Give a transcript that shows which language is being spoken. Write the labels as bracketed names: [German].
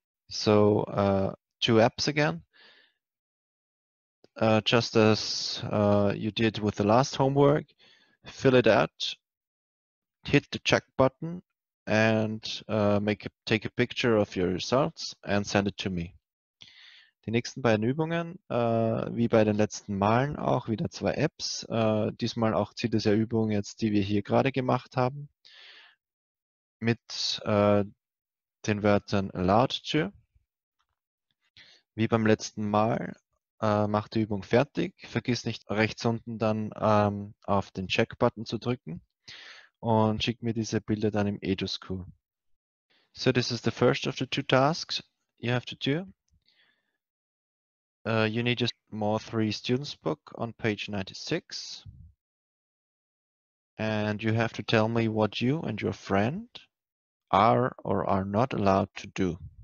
[English] So two apps again, just as you did with the last homework, fill it out, hit the check button, and take a picture of your results and send it to me. [German] Die nächsten beiden Übungen, wie bei den letzten Malen auch, wieder zwei Apps. Diesmal auch Ziel dieser Übung jetzt, die wir hier gerade gemacht haben, mit den Wörtern allowed to. Wie beim letzten Mal, mach die Übung fertig. Vergiss nicht, rechts unten dann auf den Check-Button zu drücken und schick mir diese Bilder dann im EduSchool. [English] So, this is the first of the two tasks you have to do. You need just more three students book on page 96. And you have to tell me what you and your friend are or are not allowed to do.